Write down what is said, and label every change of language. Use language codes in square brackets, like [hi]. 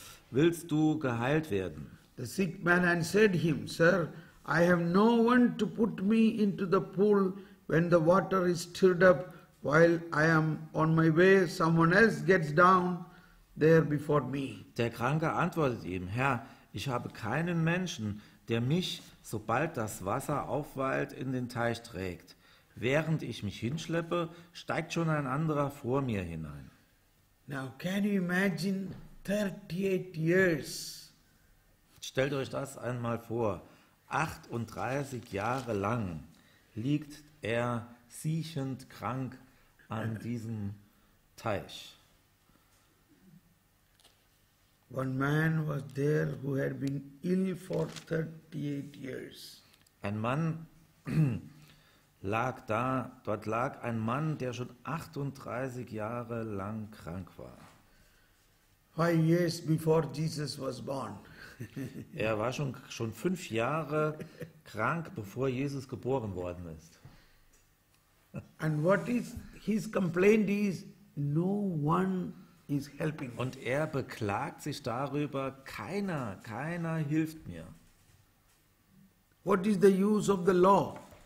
[de] Willst du geheilt werden? [en] The sick man answered him, sir, I have no one to put me into the pool when the water is stirred up. While I am on my way, someone else gets down there before me. [de] Der Kranke antwortet ihm, Herr, ich habe keinen Menschen, der mich, sobald das Wasser aufwallt, in den Teich trägt. Während ich mich hinschleppe, steigt schon ein anderer vor mir hinein. [en] Now, can you imagine 38 years? [de] Stellt euch das einmal vor. 38 Jahre lang liegt er siechend krank an diesem Teich. [en] One man was there who had been ill for 38 years. [de] Ein Mann lag da, dort lag ein Mann, der schon 38 Jahre lang krank war. [en] 5 years before Jesus was born. [de] Er war schon 5 Jahre krank, bevor Jesus geboren worden ist. [en] And what is his complaint is, no one is helping. [de] Und er beklagt sich darüber, keiner hilft mir. [en] What is the use of the law?